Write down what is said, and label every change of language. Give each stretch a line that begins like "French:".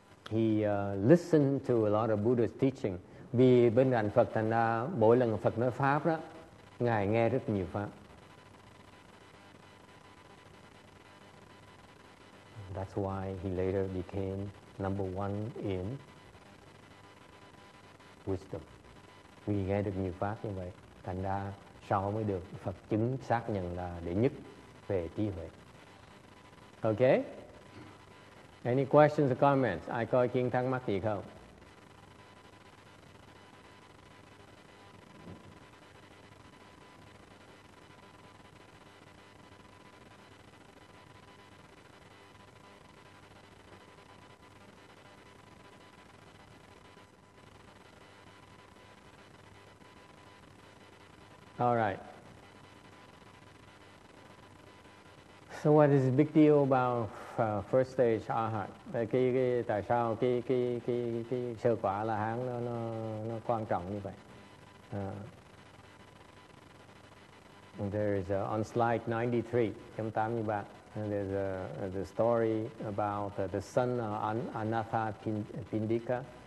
English: He listened to a lot of Buddha's teaching.
Vietnamese: Vì bên cạnh Phật, thành ra mỗi lần Phật nói pháp đó, Ngài nghe rất nhiều pháp.
English: That's why he later became number one in wisdom.
Vietnamese: Vì nghe được nhiều pháp như vậy, thành ra sau mới được Phật chứng xác nhận là đệ nhất về trí huệ. Okay?
English: Any questions or comments?
Vietnamese: Ai có ý kiến thắc mắc gì không?
English: All right. So what is the big deal about first stage arahant?
Vietnamese: Cái tại sao cái sơ quả là hán nó quan trọng như vậy?
English: There is on slide 93, 83, there's the story about the son of Anatha Pindika,